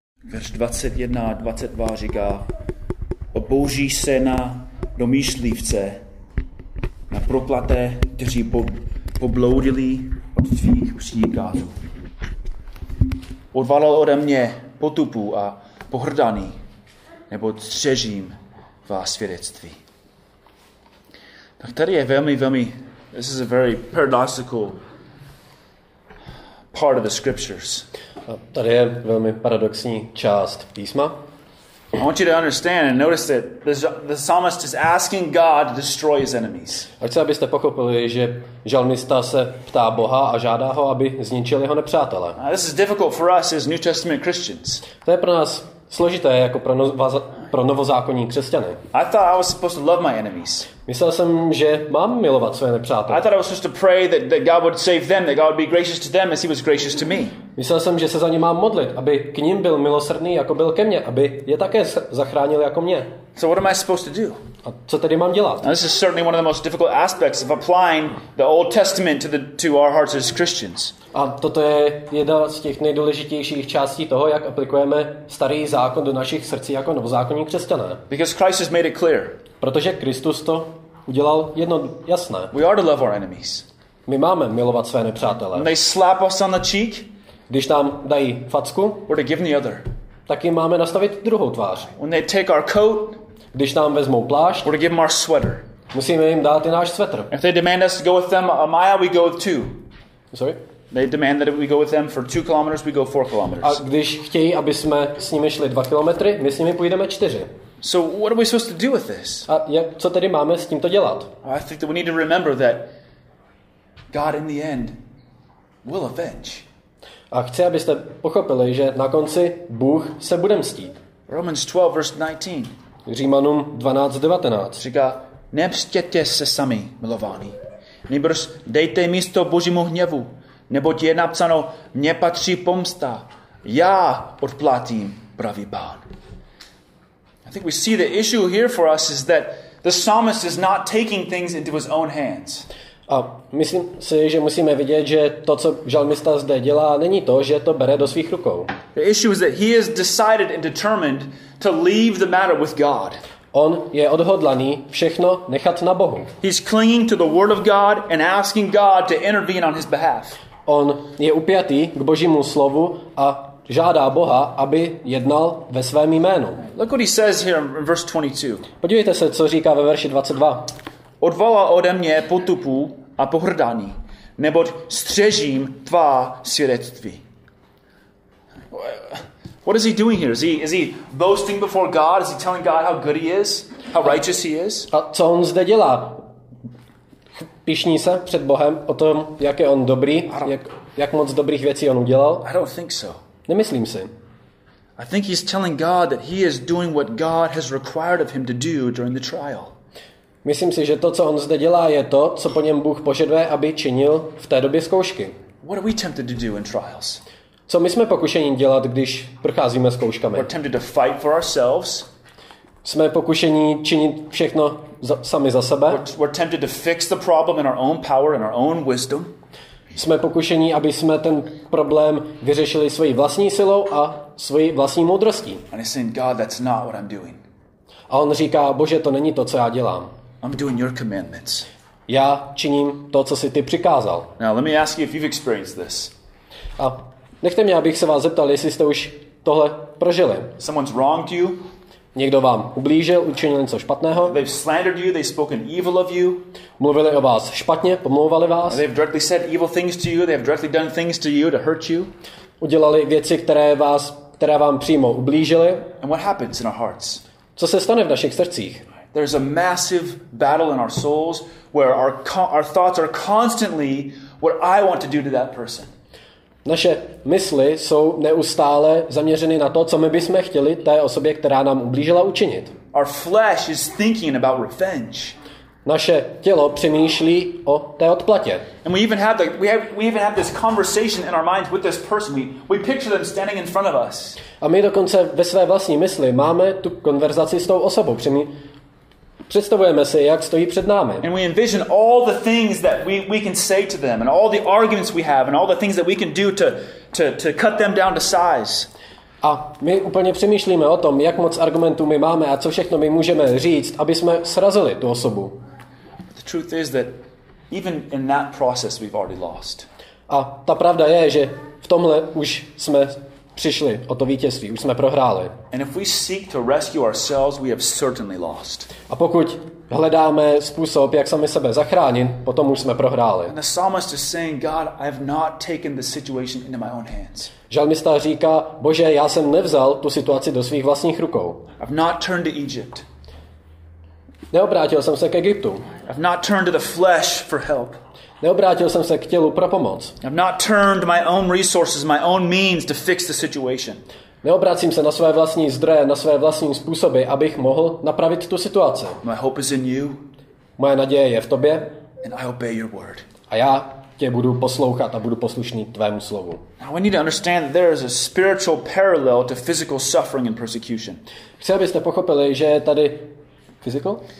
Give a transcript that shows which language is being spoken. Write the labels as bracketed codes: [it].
[cs] Verš 21 a 22 říká, obouří se na domýšlivce, na proklaté, kteří pobloudili od svých příkazů. Odvalil ode mě potupu a pohrdaný, nebo střežím vás svědectví. Tak tady je velmi, velmi, [en] this is a very paradoxical part of the scriptures. [cs] Tady je velmi paradoxní část písma. [en] I want you to understand and notice that the psalmist is asking God to destroy his enemies. [cs] A chci, abyste pochopili, že žalmista se ptá Boha a žádá ho, aby zničil jeho nepřátele. [en] This is difficult for us as New Testament Christians. [cs] To je pro nás složité jako pro novozákonní křesťany. [en] I thought I was supposed to love my enemies. [cs] Myslel jsem, že mám milovat své nepřátele. [en] I thought I was supposed to pray that God would save them, that God would be gracious to them as he was gracious to me. [cs] Myslel jsem, že se za ně mám modlit, aby k ním byl milosrdný, jako byl ke mně, aby je také zachránil jako mě. [en] So what am I supposed to do? [cs] A co tedy mám dělat? [en] Now this is certainly one of the most difficult aspects of applying the Old Testament to our hearts as Christians. [cs] A toto je jedna z těch nejdůležitějších částí toho, jak aplikujeme starý zákon do našich srdcí jako novozákonní křesťané. [en] Because Christ has made it clear. [cs] Protože Kristus to udělal jedno jasné. [en] We are to love our enemies. [cs] My máme milovat své nepřátele. [en] They slap us on the cheek. [cs] Když nám dají facku, [en] we're to give the other. [cs] Tak jim máme nastavit druhou tvář. [en] When they take our coat, [cs] když nám vezmou plášť, [en] we're to give them our sweater. [cs] Musíme jim dát i náš svetr. [en] If they demand us to go with them a mile, we go with two. Sorry? They demand that we go with them for 2 kilometers, we go 4 kilometers. [cs] A když chtějí, aby jsme s nimi šli 2 kilometry, my s nimi půjdeme 4. [en] So what are we supposed to do with this? [cs] A jak, co tedy máme s tímto dělat? [en] I think that we need to remember that God in the end will avenge. [cs] A chci, abyste pochopili, že na konci Bůh se bude mstít. [en] Romans 12, verse 19. [cs] Římanům 12:19. Říká, nemstěte se sami, milovaní. Nýbrž dejte místo Božímu hněvu, neboť je napsáno, mně patří pomsta, já odplatím, pravý Pán. [en] I think we see the issue here for us is that the psalmist is not taking things into his own hands. [cs] A myslím si, že musíme vidět, že to, co žalmista zde dělá, není to, že to bere do svých rukou. [en] The issue is that he has decided and determined to leave the matter with God. [cs] On je odhodlaný všechno nechat na Bohu. [en] He's clinging to the word of God and asking God to intervene on his behalf. [cs] On je upjatý k Božímu slovu a žádá Boha, aby jednal ve svém jménu. [en] Look what he says here in verse 22. [cs] Podívejte se, co říká ve verši 22. Odvala ode mě potupu a pohrdání, neboť střežím tvá svědectví. [en] What is he doing here? Is he boasting before God? Is he telling God how good he is? How righteous he is? [cs] A co on zde dělá? Pyšní se před Bohem o tom, jak je on dobrý, jak moc dobrých věcí on udělal? [en] I don't think so. [cs] Nemyslím si. [en] I think he's telling God that he is doing what God has required of him to do during the trial. [cs] Myslím si, že to, co on zde dělá, je to, co po něm Bůh požaduje, aby činil v té době zkoušky. [en] What are we tempted to do in trials? [cs] Co my jsme pokušeni dělat, když procházíme zkouškami? [en] We're tempted to fight for ourselves. [cs] Jsme pokušeni činit všechno sami za sebe. [en] We're tempted to fix the problem in our own power and our own wisdom. [cs] Jsme pokušeni, aby jsme ten problém vyřešili svojí vlastní silou a svojí vlastní moudrostí. [en] And he's saying, God, that's not what I'm doing. [cs] A on říká, Bože, to není to, co já dělám. [en] I'm doing your commandments. [cs] Já činím to, co si ty přikázal. [en] Now, let me ask you if you've experienced this. [cs] A nechte mě, abych se vás zeptal, jestli jste už tohle prožili. [en] Someone's wronged you. [cs] Někdo vám ublížil, učinil něco špatného. [en] They've slandered you, they've spoken evil of you. [cs] Mluvili o vás špatně, pomlouvali vás. [en] They've directly said evil things to you, they've directly done things to you to hurt you. [cs] Udělali věci, které vám přímo ublížily. [en] And what happens in our hearts? [cs] Co se stane v našich srdcích? [en] There's a massive battle in our souls where our thoughts are constantly what I want to do to that person. [cs] Naše mysli jsou neustále zaměřeny na to, co my bychom chtěli té osobě, která nám ublížila, učinit. [en] Our flesh is thinking about revenge. [cs] Naše tělo přemýšlí o té odplatě. [en] And we even have this conversation in our minds with this person. We picture them standing in front of us. [cs] A my dokonce ve své vlastní mysli máme tu konverzaci s tou osobou. Představujeme si, jak stojí před námi. [en] And we envision all the things that we can say to them and all the arguments we have and all the things that we can do to cut them down to size. [cs] A my úplně přemýšlíme o tom, jak moc argumentů my máme a co všechno my můžeme říct, aby jsme srazili tu osobu. [en] The truth is that even in that process we've already lost. [cs] A ta pravda je, že v tomhle už jsme přišli o to vítězství, už jsme prohráli. [en] And if we seek to rescue ourselves, we have certainly lost. [cs] A pokud hledáme způsob, jak sami sebe zachránit, potom už jsme prohráli. [en] And the psalmist is saying, God, I have not taken the situation into my own hands. [cs] Žalmista říká, Bože, já jsem nevzal tu situaci do svých vlastních rukou. [en] I've not turned to Egypt. [cs] Neobrátil jsem se k Egyptu. [en] I've not turned to the flesh for help. [cs] Neobrátil jsem se k tělu pro pomoc. [en] I've not turned my own resources, my own means to fix the situation. [cs] Neobracím se na své vlastní zdroje, na své vlastní způsoby, abych mohl napravit tu situaci. [en] My hope is in you. [cs] Moje naděje je v tobě. [en] And I obey your word. [cs] A já tě budu poslouchat a budu poslušný tvému slovu. [en] Now we need to understand that there is a spiritual parallel to physical suffering and persecution. [cs] Chci, abyste pochopili, že je tady physical?